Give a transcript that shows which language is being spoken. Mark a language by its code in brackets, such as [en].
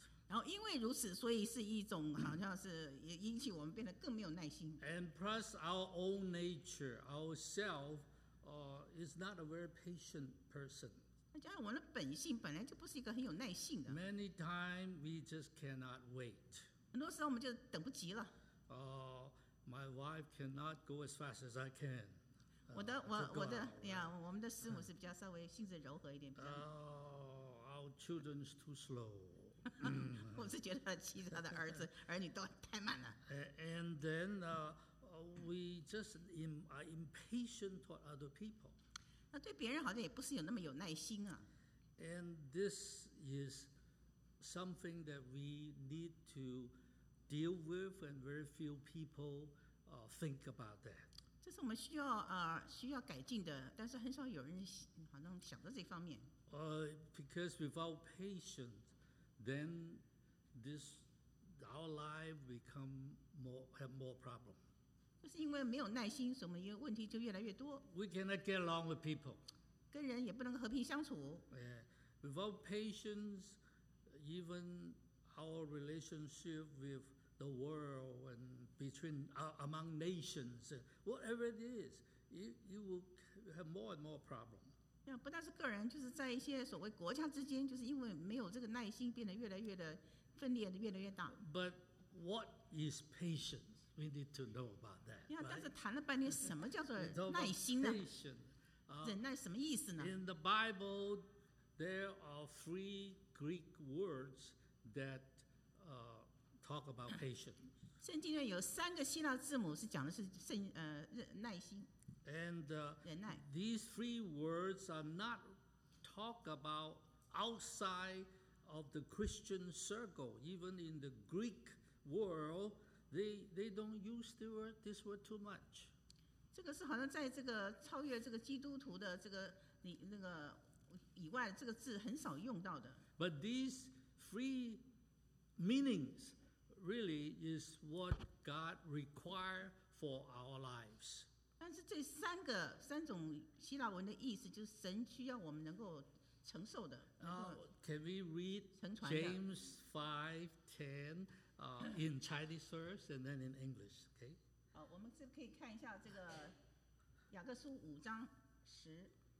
[zh] 然后因为如此，所以是一种好像是也引起我们变得更没有耐心。 [en] And plus our own nature, ourselves, is not a very patient person. [zh] 那加上我们的本性本来就不是一个很有耐心的。 [en] Many times we just cannot wait. [zh] 很多时候我们就等不及了。 [en] My wife cannot go as fast as I can. [zh] 我的呀，我们的师母是比较稍微性子柔和一点。 [en] Our children's too slow. [zh] 我是觉得其他的儿子儿女都太慢了。 [en] And then we just are impatient toward other people. [zh] 那对别人好像也不是有那么有耐心啊。 [en] And this is something that we need to deal with, and very few people think about that. [zh] 这是我们需要改进的，但是很少有人好像想到这方面。 [en] Because without patience, then this our life become more have more problem. [zh] 就是因为没有耐心，所以问题就越来越多。 [en] We cannot get along with people. [zh] 跟人也不能和平相处。 [en] Without patience, even our relationship with the world and between among nations, whatever it is, you will have more and more problems. [zh] 不但是个人，就是在一些所谓国家之间，就是因为没有这个耐心，变得越来越的分裂的越来越大。 [en] But what is patience? We need to know about that. [zh] 但是谈了半天，什么叫做耐心呢？忍耐什么意思呢 [en] ？In the Bible, there are three Greek words that talk about patience. [zh] 圣经里有三个希腊字母是讲的是耐心。 [en] And [zh] 忍耐。 [en] These three words are not talk about outside of the Christian circle. Even in the Greek world, they don't use this word too much. [zh] 这个是好像在这个超越这个基督徒的这个那个以外，这个字很少用到的。 [en] But these three meanings. Really is what God requires for our lives. [zh] 但是这三种希腊文的意思，就是神需要我们能够承受的。 [en] Can we read James 5:10 in Chinese first and then in English? Okay. [zh] 好，我们这可以看一下这个雅各书五章十。